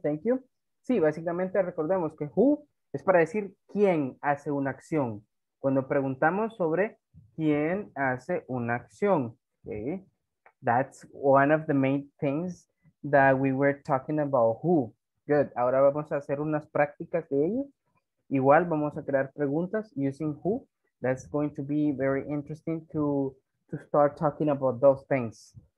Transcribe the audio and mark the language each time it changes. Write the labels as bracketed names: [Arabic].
[English] Thank you. [Spanish] Sí, básicamente recordemos que who es para decir quién hace una acción. Cuando preguntamos sobre quién hace una acción. Okay. [English] That's one of the main things that we were talking about. Who. Good. [Spanish] Ahora vamos a hacer unas prácticas de ello. Igual vamos a crear preguntas [English] using who. That's going to be very interesting to start talking about those things.